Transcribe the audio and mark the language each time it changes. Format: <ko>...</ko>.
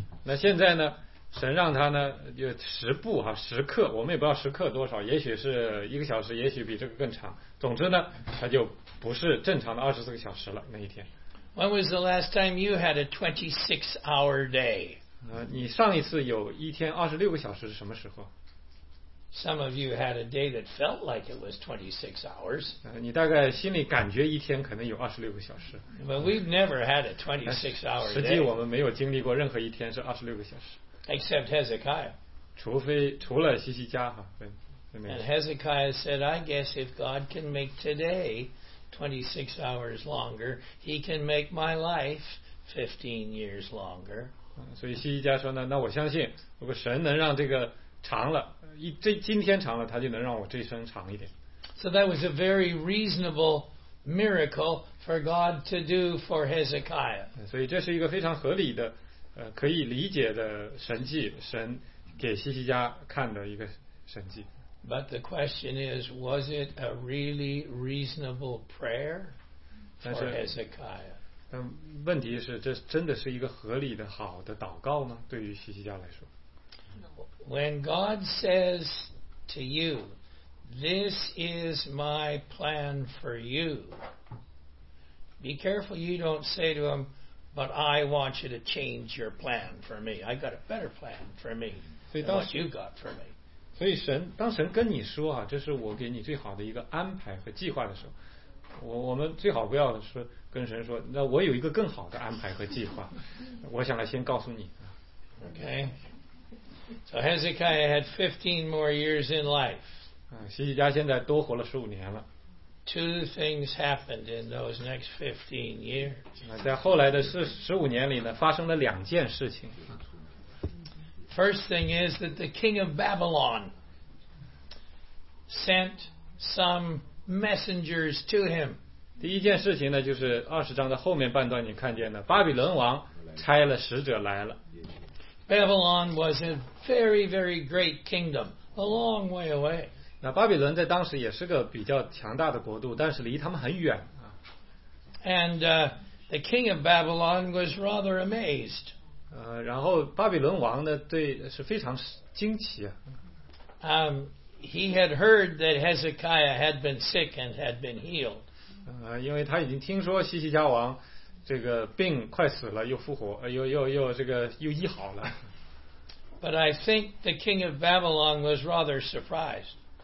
<zh>那现在呢，神让他呢就十步啊，十刻，我们也不知道十刻多少，也许是一个小时，也许比这个更长。总之呢，他就不是正常的24个小时了，那一天。</zh> <en>When was the last time you had a 26-hour day?</en> <zh>你上一次有一天26个小时是什么时候？</zh> <en>Some of you had a day that felt like it was 26 hours.</en> <zh>你大概心里感觉一天可能有26个小时。</zh> <en>But we've never had a 26-hour day.</en> <zh>实际我们没有经历过任何一天是26个小时。</zh> <en>Except Hezekiah.</en> <zh>除了西西家哈。</zh> <en>And Hezekiah said, I guess if God can make today 26 hours longer, he can make my life 15 years longer.</en> <zh>所以西西家说呢，那我相信如果神能让这个长了，这今天长了，他就能让我这生长一点。</zh> <en>So that was a very reasonable miracle for God to do for Hezekiah.</en> <zh>所以这是一个非常合理的，可以理解的神迹，神给西西家看的一个神迹。</zh> <en>But the question is, was it a really reasonable prayer for Hezekiah?</en> <zh>但问题是，这真的是一个合理的好的祷告吗？对于西西家来说。</zh> <en>When God says to you, this is my plan for you, be careful you don't say to him, but I want you to change your plan for me. I got a better plan for me than what you got for me.</en> <zh>所以神，当神跟你说啊，这是我给你最好的一个安排和计划的时候，我们最好不要说跟神说，那我有一个更好的安排和计划，我想来先告诉你。</zh> <en>Okay. So Hezekiah had 15 more years in life.</en> <zh>西西家现在多活了15年了。</zh> <en>Two things happened in those next 15 years.</en> <zh>在后来的15年里呢，发生了两件事情。</zh> <en>First thing is that the king of Babylon sent some messengers to him.</en> <zh>第一件事情呢，就是20章的后面半段你看见的，巴比伦王差了使者来了。</zh> <en>Babylon was a very, very great kingdom, a long way away.</en> <zh>那巴比伦在当时也是个比较强大的国度，但是离他们很远。</zh> <en>And the king of Babylon was rather amazed.</en> <zh>然后巴比伦王呢，对，是非常惊奇。</zh> <en>He had heard that Hezekiah had been sick and had been healed.</en> <zh>因为他已经听说西西家王这个病快死了又复活，又这个又医好了。</zh> <en>But I think the king of Babylon was rather surprised.</en>